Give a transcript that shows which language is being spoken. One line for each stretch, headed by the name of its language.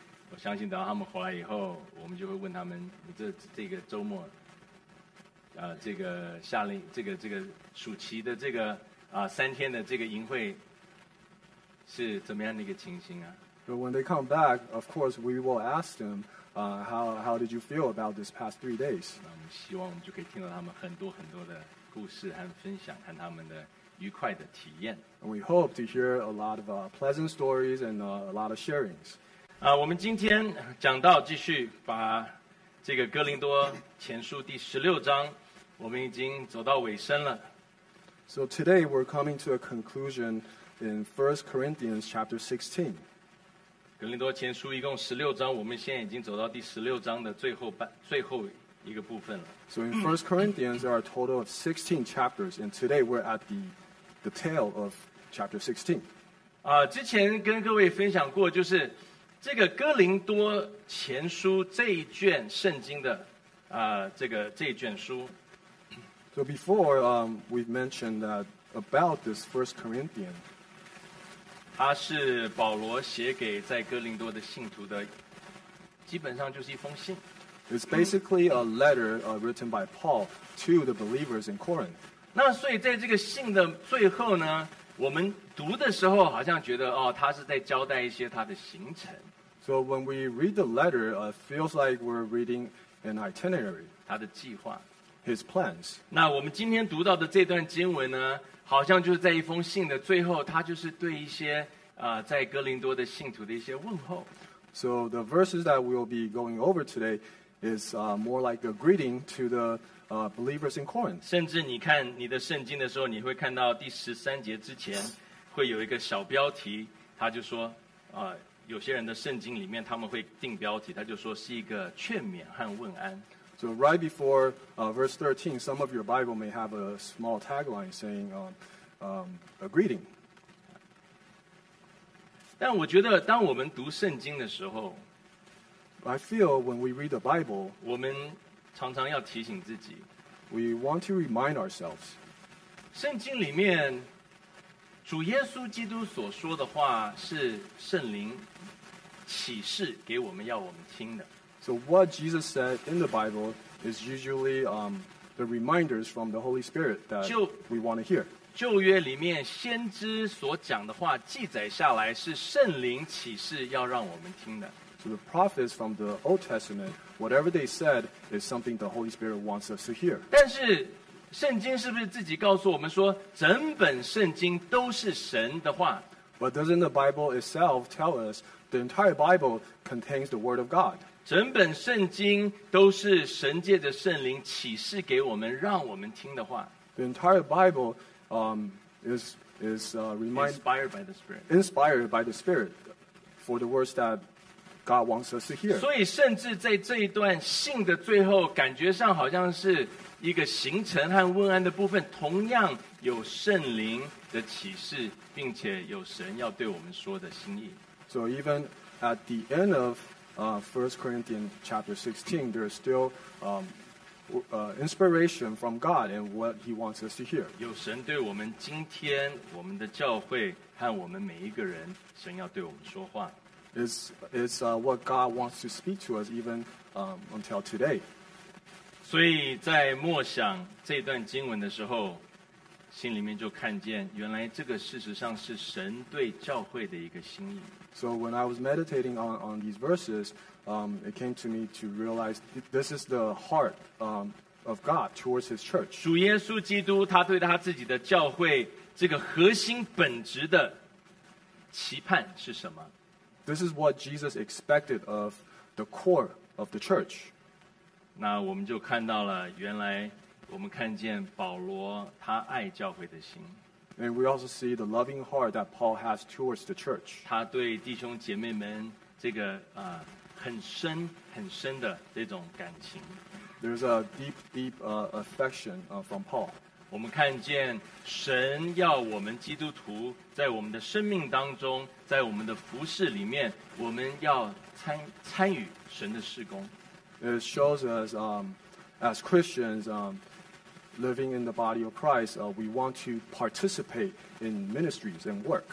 Chinese: 我相信等他们回来以后，我们就会问他们，你这个周末，这个夏令这个暑期的这个三天的这个营会是怎么样的一个情形啊？
English: But when they come back, of course we will ask them, how did you feel about this past 3 days?
Chinese: 那我们希望我们就可以听到他们很多很多的故事和分享，和他们的愉快的体验。
English: And we hope to hear a lot of pleasant stories and a lot of sharings.
Chinese: 我们今天讲到继续把这个哥林多前书第16章，我们已经走到尾声了。
English: So today we're coming to a conclusion in 1 Corinthians chapter 16.
Chinese: 哥林多前书一共16章，我们现在已经走到第16章的最后一个部分了。
English: So in 1 Corinthians there are a total of 16 chapters, and today we're at the tail of chapter 16.
Chinese: 之前跟各位分享过，就是这个哥林多前书这一卷圣经的这一卷书。
English: So before we've mentioned that about this First Corinthians,
Chinese: 它是保罗写给在哥林多的信徒的，基本上就是一封信。
English: It's basically a letter written by Paul to the believers in Corinth.
Chinese: 那所以在这个信的最后呢，我们读的时候好像觉得他是在交代一些他的行程。
English: So when we read the letter, it feels like we're reading an itinerary.
Chinese: 他的计划。
English: His plans.
Chinese: 那我们今天读到的这段经文呢，好像就是在一封信的最后，他就是对一些在哥林多的信徒的一些问候。
English: So the verses that we'll be going over today is more like a greeting to the believers in Corinth.
Chinese: 甚至你看你的圣经的时候，你会看到第十三节之前会有一个小标题，他就说有些人的圣经里面他们会定标题，他就说是一个劝勉和问安。
English: So right before verse 13, some of your Bible may have a small tagline saying a greeting.
Chinese: 但我觉得当我们读圣经的时候，
English: I feel when we read the Bible,
Chinese: 我们常常要提醒自己，
English: we want to remind ourselves.
Chinese: 圣经里面主耶稣基督所说的话是圣灵启示给我们要我们听的。
English: So what Jesus said in the Bible is usually the reminders from the Holy Spirit that we want to hear.
Chinese: 旧约里面先知所讲的话记载下来是圣灵启示要让我们听的。
English: So the prophets from the Old Testament, whatever they said is something the Holy Spirit wants us to hear.
Chinese: 但是圣经是不是自己告诉我们说整本圣经都是神的话？
English: But doesn't the Bible itself tell us the entire Bible contains the word of God?
Chinese: 整本圣经都是神借着圣灵启示给我们让我们听的话。
English: The entire Bible is inspired by the Spirit. Inspired by the Spirit for the words that God wants us to hear.
Chinese: 所以甚至在这一段信的最后感觉上好像是一个行程和问安的部分同样有圣灵的启示并且有神要对我们说的心意。
English: So even at the end of 1 Corinthians chapter 16, there is still inspiration from God and what he wants us to hear.
Chinese: 有神对我们今天我们的教会和我们每一个人神要对我们说话。
English: It's what God wants to speak to us even until today.
Chinese: 所以在默想这段经文的时候心里面就看见原来这个事实上是神对教会的一个心意。
English: So when I was meditating on these verses, it came to me to realize this is the heart of God towards his church.
Chinese: 主耶稣基督他对他自己的教会这个核心本质的期盼是什么？
English: This is what Jesus expected of the core of the church.
Chinese: 那我们就看到了原来我们看见保罗他爱教会的心。
English: And we also see the loving heart that Paul has towards the church.
Chinese: 他对弟兄姐妹们这个很深很深的这种感情。
English: There's a deep affection from Paul.
Chinese: 我们看见神要我们基督徒在我们的生命当中，在我们的服事里面，我们要参与神的事工。
English: It shows us as Christians living in the body of Christ, we want to participate in ministries and work.